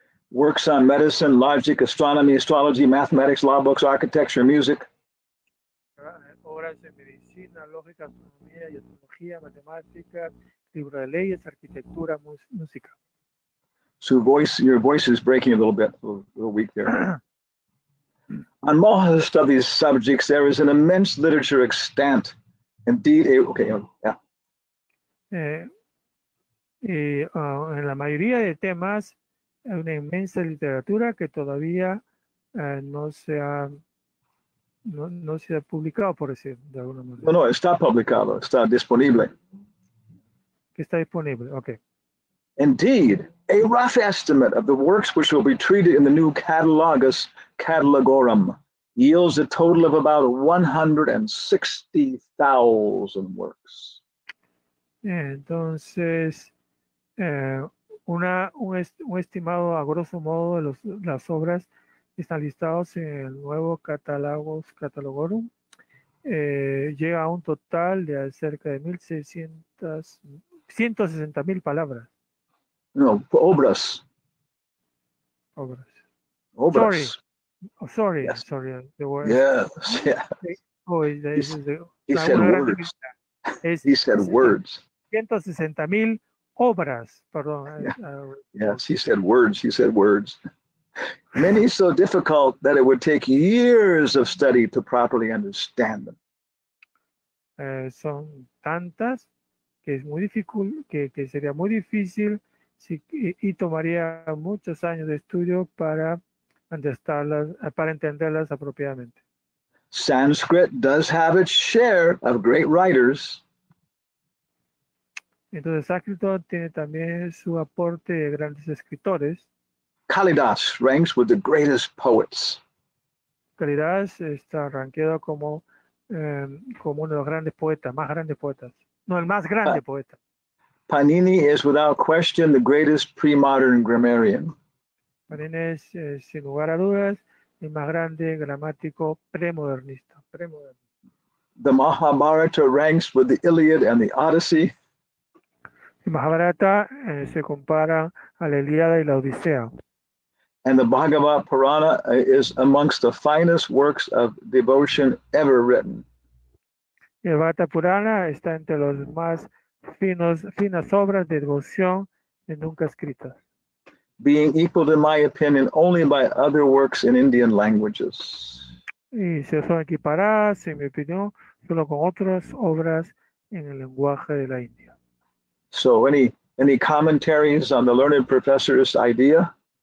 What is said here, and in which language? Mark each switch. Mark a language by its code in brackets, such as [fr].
[en] Works on medicine, logic, astronomy, astrology, mathematics, law books, architecture, music. [es] Obras de medicina, lógica, astronomía, astrología, matemáticas, libro de leyes, arquitectura, música. [en] So your voice is breaking a little weak there. On most of these subjects, there is an immense literature extant. [es] En la mayoría de temas, hay una inmensa literatura que todavía no se ha publicado, por decir de alguna manera. No, está publicado, está disponible. Que está disponible, okay. [en] Indeed, a rough estimate of the works which will be treated in the new Catalogus Catalogorum yields a total of about 160,000 works. [es] Entonces, un estimado a grosso modo de las obras que están listados en el nuevo Catalogorum llega a un total de cerca de 160,000 palabras. No, obras. Obras. Obras. [en] Sorry. Oh, sorry. Yes. Sorry. The word. Yes. Yeah. Oh, He said words. [es] 160,000 obras, perdón. [en] Yes, he said words. Many so difficult that it would take years of study to properly understand them. [es] Son tantas que es muy difícil, que sería muy difícil y tomaría muchos años de estudio para entenderlas apropiadamente. [en] Sanskrit does have its share of great writers. [es] Entonces, sánscrito tiene también su aporte de grandes escritores. [en] Kalidas ranks with the greatest poets. [es] Kalidas está rankeado como uno de los grandes poetas, más grandes poetas. No, el más grande poeta. [en] Panini is without question the greatest pre-modern grammarian. [es] Panini es, sin lugar a dudas, el más grande gramático premodernista. [en] The Mahabharata ranks with the Iliad and the Odyssey. [es] Mahabharata se compara a la Ilíada y la Odisea. [en] And the Bhagavad Purana is amongst the finest works of devotion ever written. [es] El Bhagavad Purana está entre los más finas obras de devoción de nunca escritas. [en] Being equaled in my opinion only by other works in Indian languages. [es] Y se son equiparadas, en mi opinión, solo con otras obras en el lenguaje de la India. [en] So any commentaries on the learned professor's idea?